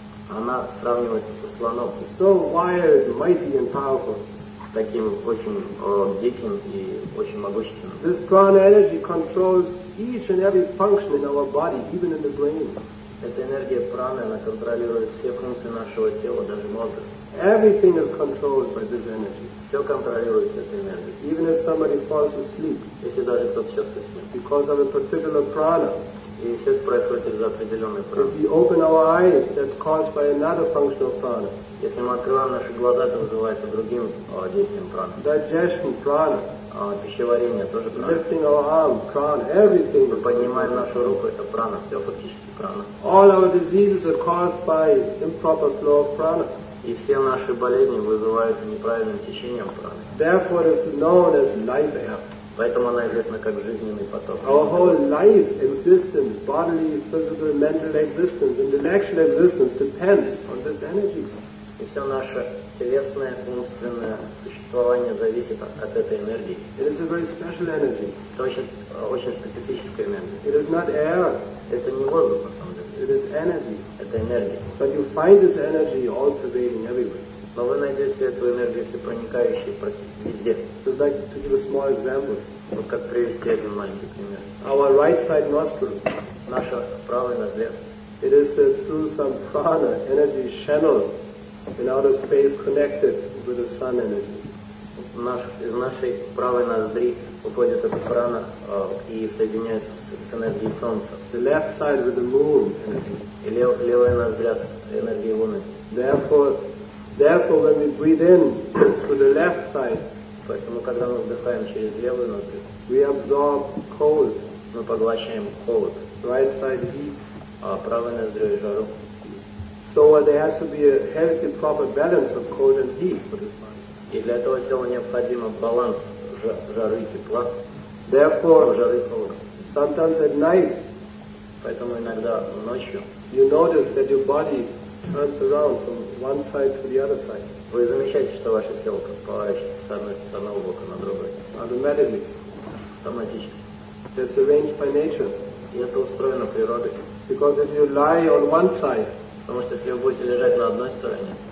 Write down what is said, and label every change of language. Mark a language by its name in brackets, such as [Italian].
[Russian] Она сравнивается со слоном. [English] So wired, mighty and powerful. [Russian] Таким очень диким и очень могущественным. [English] This prana energy controls each and every function in our body, even in the brain. [Russian] Эта энергия праны, она контролирует все функции нашего тела, даже мозга. [English] Everything is controlled by this energy. [Russian] Все контролируется этой энергией. [English] Even if somebody falls asleep. [Russian] Если даже кто-то сейчас уснёт. [English] Because of a particular prana. [Russian] И все это происходит из-за определенной праны. [English] If we open our eyes, that's caused by another function of prana. [Russian] Если мы открываем наши глаза, это вызывается другим действием праны. [English] Digestion, prana. [Russian] Пищеварение тоже прана. [English] Lifting our arm, prana. Everything. [Russian] Мы поднимаем нашу руку, это прана. Все фактически прана. [English] All our diseases are caused by improper flow of prana. [Russian] И все наши болезни вызываются неправильным течением праны. [English] Therefore, it's known as life air. [Russian] Поэтому она известна как жизненный поток. [English] Our whole life existence, bodily, physical, mental existence, intellectual existence depends on this energy. [Russian] И все наше телесное, умственное существование зависит от этой энергии. [English] It is a very special energy. [Russian] Это очень специфическая энергия. [English] It is not air. [Russian] Это не воздух, на самом деле. [English] It is energy. [Russian] Это энергия. [English] But you find this energy all pervading everywhere. [Russian] Но вы найдете эту энергию всепроникающей везде. [English] Just like to give a small example. [Russian] Вот как привести один маленький пример. [English] Our right side nostril. [Russian] Наша правая ноздря. [English] It is through some prana energy channel. In outer space, connected with the sun energy. [Russian] Из нашей правой ноздри выходит эта прана и соединяется с энергией солнца. [English] The left side with the moon energy. [Russian] И левая ноздря с энергией луны. [English] Therefore, when we breathe in through the left side, [Russian] поэтому когда мы вдыхаем через левую ноздрю, [English] we absorb cold. [Russian] Мы поглощаем холод. [English] Right side heat. [Russian] А правая ноздря жару. [English] So there has to be a healthy, proper balance of cold and heat for this body. [Russian] И для этого тела необходимо баланс жары и тепла. [English] Therefore, [Russian] жары и холода. [English] Sometimes at night, [Russian] поэтому иногда ночью, [English] you notice that your body turns around from one side to the other side. [Russian] Вы замечаете, что ваше тело как поворачивается с одной стороны бока на другой. [English] Automatically. [Russian] Автоматически. [English] That's arranged by nature. [Russian] И это устроено природой. [English] Because if you lie on one side. [Russian] Потому что если вы будете лежать на одной стороне,